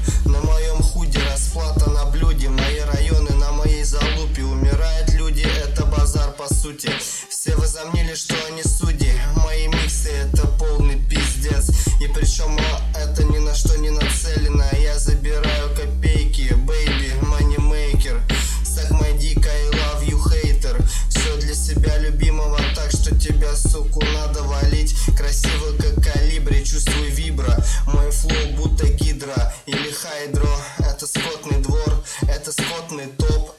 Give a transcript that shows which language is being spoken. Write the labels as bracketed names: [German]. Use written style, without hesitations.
[Russian] На моем худе расплата на блюде. Мои районы на моей залупе. Умирают люди, это базар по сути. Все возомнили, что они судьи. Мои миксы это полный пиздец. И причем это ни на что не нацелено. Я забираю копейки, baby, [English] money maker. Suck my dick, I love you, hater. [Russian] Все для себя любимого, так что тебя, суку, надо валить. Красиво, как калибри, чувствую вибра. Мой флоу будто гидра или хайдро. Это скотный двор, это скотный топ.